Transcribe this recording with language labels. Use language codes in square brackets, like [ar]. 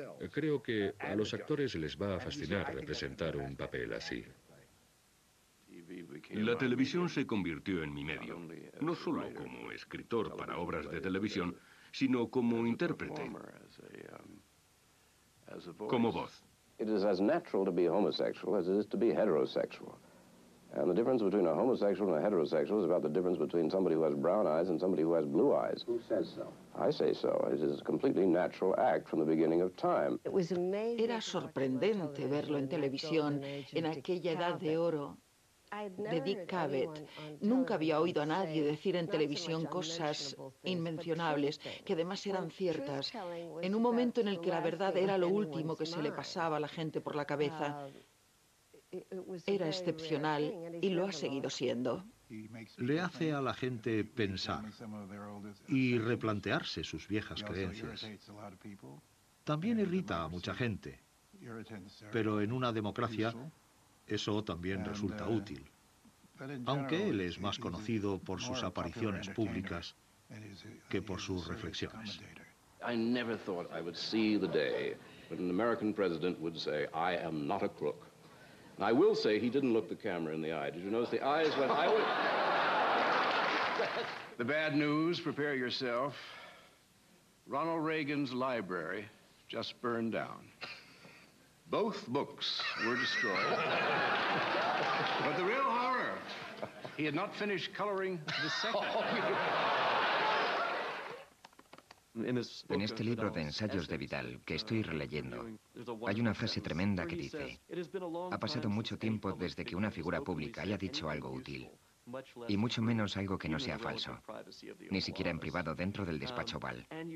[es] Creo que a los actores les va a fascinar representar un papel así. La televisión se convirtió en mi medio, no solo como escritor para obras de televisión, sino como intérprete, como voz. [en] It is as natural to be homosexual as it is to be heterosexual. And the difference between a homosexual and a heterosexual is about the difference between somebody who has brown eyes and somebody who has blue eyes. Who says so? I say so. It is a completely natural act from the beginning of time. [es] Era sorprendente verlo en televisión en aquella edad de oro de Dick Cavett. Nunca había oído a nadie decir en televisión cosas inmencionables, que además eran ciertas, en un momento en el que la verdad era lo último que se le pasaba a la gente por la cabeza. Era excepcional y lo ha seguido siendo. Le hace a la gente pensar y replantearse sus viejas creencias. También irrita a mucha gente, pero en una democracia eso también resulta útil. Aunque él es más conocido por sus apariciones públicas que por sus reflexiones. [en] I never thought I would see the day when an American president would say, I am not a crook. I will say he didn't look the camera in the eye. Did you notice the eyes went... I would... The bad news, prepare yourself. Ronald Reagan's library just burned down. Both books were destroyed. But the real horror, he had not finished coloring the second. [es] En este libro de ensayos de Vidal, que estoy releyendo, hay una frase tremenda que dice: ha pasado mucho tiempo desde que una figura pública haya dicho algo útil, y mucho menos algo que no sea falso, ni siquiera en privado dentro del despacho Oval.